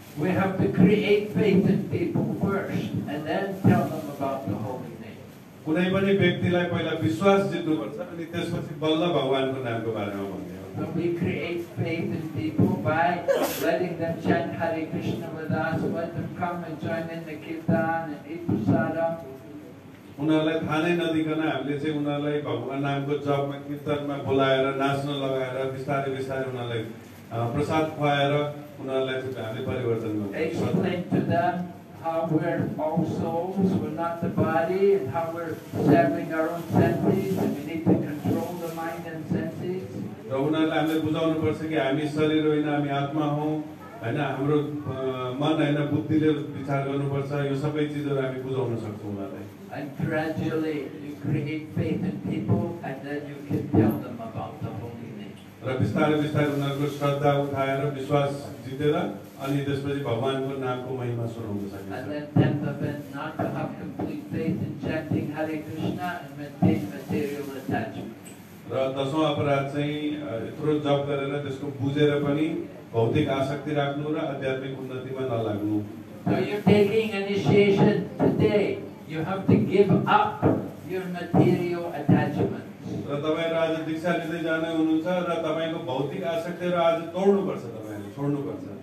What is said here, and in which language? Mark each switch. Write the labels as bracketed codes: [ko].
[en] We have to create faith in people first and then tell them about the holy name. [ne] कुनै पनि व्यक्तिलाई पहिला विश्वास जित्नु पर्छ अनि त्यसपछि बल्ल भगवानको नामको बारेमा भन्नु. [en] So we create faith in people by letting them chant Hare Krishna with us, let them come and join in the kirtan and eat prasadam. [ne] उनीहरूलाई थाहा नै नदिकन हामीले चाहिँ उनीहरूलाई भगवान नामको जपमा कीर्तनमा बोलाएर नाच्न लगाएर बिस्तारै बिस्तारै उनीहरूलाई प्रसाद खुवाएर उनीहरूलाई चाहिँ हामीले परिवर्तन गर्छौँ. [en] Explain to them how we're all souls, we're not the body, and how we're serving our own senses, and we need to control the mind and senses. [ne] र उनीहरूलाई हामीले बुझाउनु पर्छ कि हामी शरीर होइन, हामी आत्मा हौँ, होइन, हाम्रो मन होइन बुद्धिले विचार गर्नुपर्छ. यो सबै चिजहरू हामी बुझाउन सक्छौँ उनीहरूलाई. [en] And gradually you create faith in people and then you can tell them about the holy name. [ne] र बिस्तारै बिस्तारै उनीहरूको श्रद्धा उठाएर विश्वास जितेर अनि त्यसपछि भगवानको नामको महिमा सुनाउन सकिन्छ. [en] And then tenth offense, not to have complete faith in chanting Hare Krishna and maintain material attachment. [ne] र दसौँ अपराध चाहिँ यत्रो जप गरेर त्यसको बुझेर पनि भौतिक आसक्ति राख्नु र आध्यात्मिक उन्नतिमा नलाग्नु. [en] So you're taking initiation today, you have to give up your material attachments. [ne] र तपाईँहरू आज दीक्षा लिँदै जानै हुनुहुन्छ र तपाईँको भौतिक आसक्तिहरू आज तोड्नुपर्छ, तपाईँहरूले छोड्नुपर्छ.